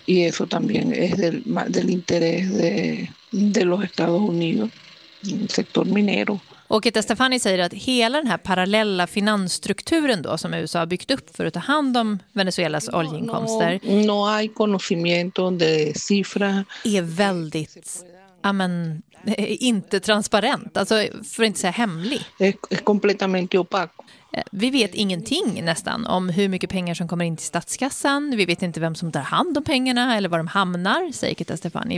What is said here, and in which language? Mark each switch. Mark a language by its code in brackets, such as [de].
[es] Y eso también es del interés de los Estados Unidos, sector minero. [sv] Och Keta Stefani säger att hela den här parallella finansstrukturen då som USA har byggt upp för att ta hand om Venezuelas oljeinkomster [es] no hay conocimiento de cifra. [sv] Är väldigt inte transparent, alltså för inte säga hemlig. [es] Es completamente opaco. [sv] Vi vet ingenting nästan om hur mycket pengar som kommer in till statskassan. Vi vet inte vem som tar hand om pengarna eller var de hamnar, säger Keta Stefani.